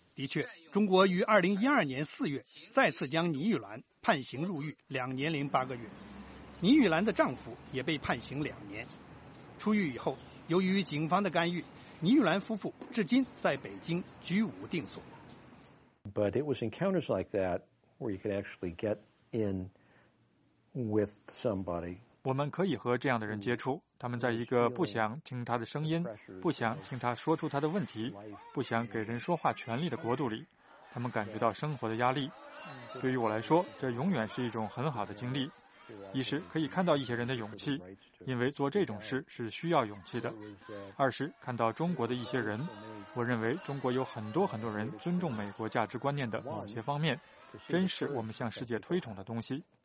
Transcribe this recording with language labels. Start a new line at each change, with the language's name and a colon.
Chinese: 的确，中国于2012年4月再次将倪玉兰判刑入狱两年零八个月，倪玉兰的丈夫也被判刑两年。出狱以后，由于警方的干预，倪玉兰夫妇至今在北京居无定所。
English: But it was encounters like that where you could actually get in with somebody.
Chinese: 我们可以和这样的人接触，他们在一个不想听他的声音、不想听他说出他的问题、不想给人说话权利的国度里，他们感觉到生活的压力。对于我来说，这永远是一种很好的经历。一是可以看到一些人的勇气，因为做这种事是需要勇气的；二是看到中国的一些人，我认为中国有很多很多人尊重美国价值观念的某些方面，真是我们向世界推崇的东西。